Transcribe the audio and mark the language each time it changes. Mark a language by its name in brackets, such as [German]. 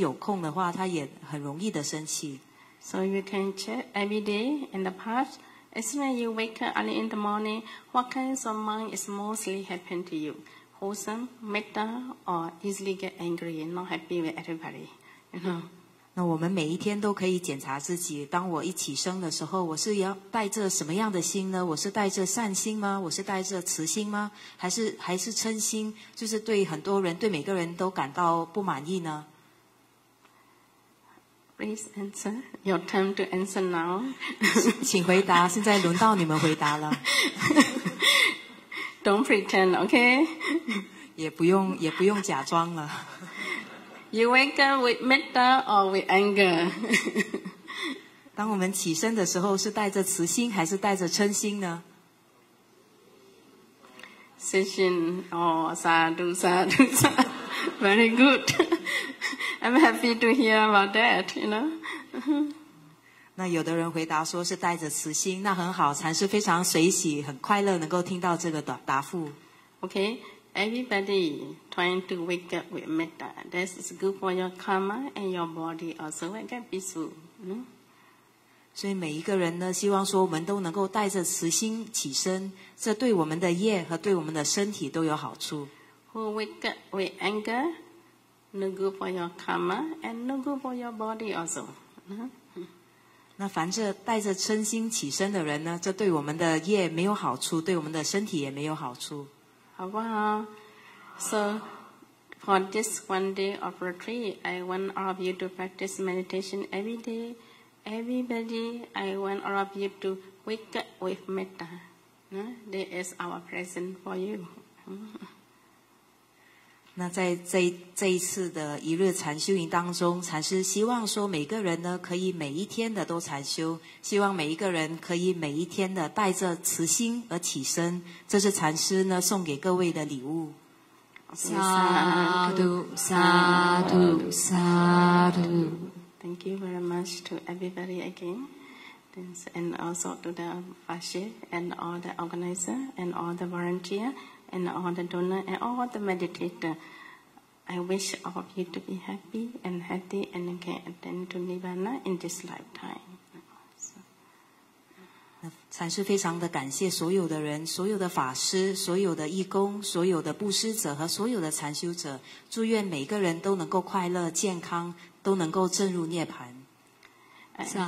[Chinese] 还有就是这个嗔心，这个嗔心是很危险的，我们必须要控制自己的心。如果说一个人呢，常常练习慈心，那他不容易生气。那我们的心，如果说我们不照顾好的，那他就很，当我们的心有空的话，他也很容易的生气。 [English] So you can check every day in the past, as soon as you wake up early in the morning, what kinds of mind is mostly happening to you? Wholesome, metta, or easily get angry, not happy with everybody, you know? [Chinese] 那我们每一天都可以检查自己，当我一起生的时候，我是要带着什么样的心呢？我是带着善心吗？我是带着慈心吗？还是嗔心， 就是对很多人， 对每个人都感到不满意呢？ [English] Please answer. Your time to answer now. [Chinese] 请回答， 现在轮到你们回答了。 [English] Don't pretend, okay? [Chinese] 也不用假装了。 [English] You wake up with metta or with anger? [Chinese] 当我们起身的时候是带着慈心还是带着嗔心呢？慈心哦，萨杜萨杜萨 [English] very good. I'm happy to hear about that, you know. [Chinese] 那有的人回答说是带着慈心，那很好，禅师非常随喜，很快乐能够听到这个答复。 [English] Okay, everybody trying to wake up with metta. This is good for your karma and your body also. Wake up, peaceful. [Chinese] 所以每一个人呢，希望说我们都能够带着慈心起身，这对我们的业和对我们的身体都有好处。 [English] Who wake up with anger, no good for your karma and no good for your body also. [Chinese] 那凡是带着嗔心起身的人呢，这对我们的业没有好处，对我们的身体也没有好处。好不好 [English] ？So for this one day of retreat, I want all of you to practice meditation every day. Everybody, I want all of you to wake up with metta. This is our present for you. [Chinese] 那在 这一次的一日禅修营当中，禅师希望说每个人呢可以每一天的都禅修，希望每一个人可以每一天的带着慈心而起身，这是禅师呢送给各位的礼物。萨杜萨杜萨杜 [English] Thank you very much to everybody again and also to the Vashi and all the organizer and all the volunteerAnd all the donors and all the meditators, I wish all of you to be happy and healthy and can attend to Nirvana in this lifetime. [Chinese] 禅师非常的感谢所有的人，所有的法师，所有的义工，所有的布施者和所有的禅修者，祝愿每个人都能够快乐健康，都能够证入涅槃。